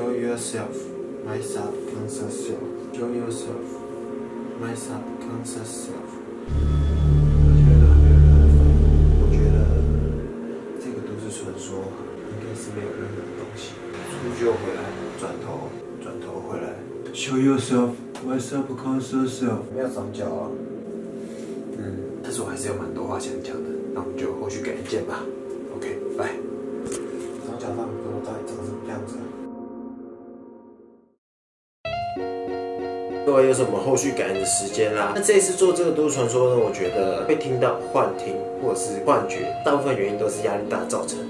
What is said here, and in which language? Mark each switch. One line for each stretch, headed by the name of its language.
English: Yourself, my subconscious self. Show yourself, my subconscious self.
Chinese: 我觉得没有人反应。我觉得这个都是传说，应该是没有任何东西。出去又回来，转头回来。
English: Show yourself, my subconscious self.
Chinese: 没有长脚啊。但是我还是有蛮多话想讲的。那我们就后续改天见吧。 OK， 拜。长脚那么多，到底长什么样子？各位，又是我们后续感应的时间啦。那这一次做这个都市传说呢，我觉得会听到幻听或者是幻觉，大部分原因都是压力大造成。